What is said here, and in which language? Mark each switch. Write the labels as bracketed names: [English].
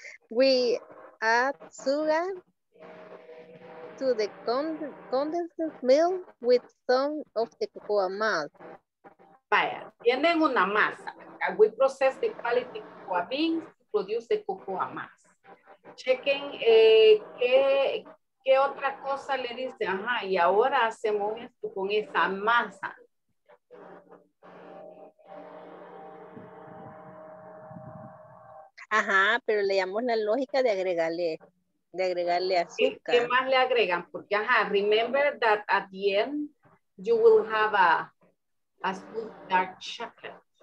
[English] We add sugar to the condensed milk with some of the cocoa mass. [Spanish] Vaya, tienen una masa. [English] We process the quality cocoa beans to produce the cocoa mass. [Spanish] Chequen qué otra cosa le dice. Ajá, y ahora hacemos esto con esa masa. Ajá, pero le llamamos la lógica de agregarle azúcar. ¿Qué más le agregan? Porque, [English] ajá, remember that at the end you will have a smooth dark chocolate.